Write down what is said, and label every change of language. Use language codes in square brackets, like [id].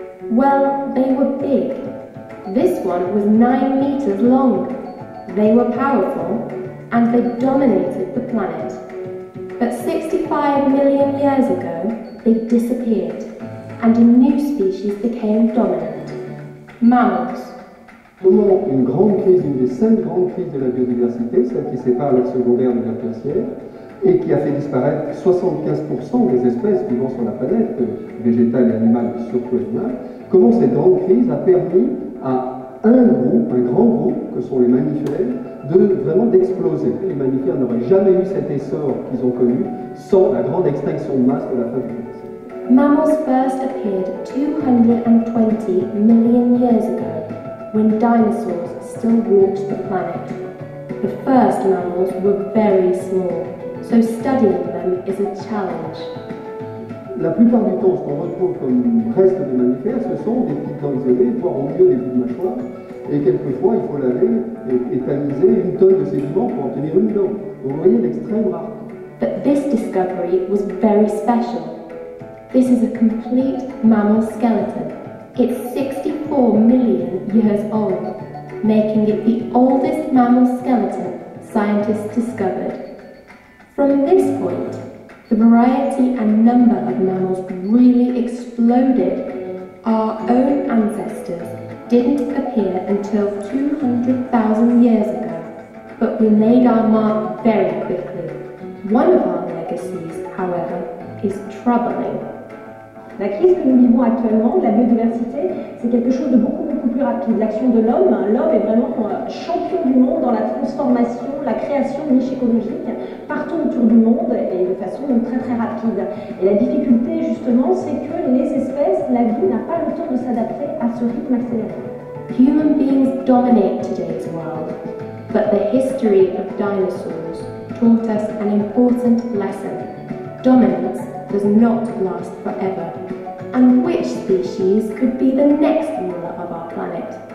[en] Well, they were big. This one was 9 meters long. They were powerful, and they dominated the planet. But 65 million years ago, they disappeared, and a new species became dominant. Mammals. [fr] Pendant une grande crise, une des 5 grandes crises de la biodiversité, celle qui sépare le secondaire de la tertiaire, et qui a fait disparaître 75% des espèces vivant sur la planète, végétales et animales, surtout animales, comment cette grande crise a permis à un groupe, un grand groupe, que sont les mammifères, de vraiment d'exploser. Les mammifères n'auraient jamais eu cet essor qu'ils ont connu sans la grande extinction de masse de la fin du Crétacé. [en] Mammals first appeared 220 million years ago, when dinosaurs still walked the planet. The first mammals were very small, so studying them is a challenge. [fr] La plupart du temps, ce qu'on retrouve comme reste de mammifères, ce sont des petits dents isolées, voire au milieu des bouts de mâchoire. Et quelquefois, il faut laver et tamiser une tonne de sédiments pour obtenir une dent. Vous voyez l'extrême rare. [en] But this discovery was very special. This is a complete mammal skeleton. It's 65 4 million years old, making it the oldest mammal skeleton scientists discovered. From this point, the variety and number of mammals really exploded. Our own ancestors didn't appear until 200,000 years ago, but we made our mark very quickly. One of our legacies, however, is troubling. [fr] La crise que nous vivons actuellement de la biodiversité, c'est quelque chose de beaucoup, beaucoup plus rapide. L'action de l'homme, hein, l'homme est vraiment champion du monde dans la transformation, la création de niches écologiques partout autour du monde et de façon donc, très, très rapide. Et la difficulté, justement, c'est que les espèces, la vie n'a pas le temps de s'adapter à ce rythme accéléré. [en] Human beings dominate today's world, but the history of dinosaurs taught us an important lesson. Dominance does not last forever. And which species could be the next ruler of our planet?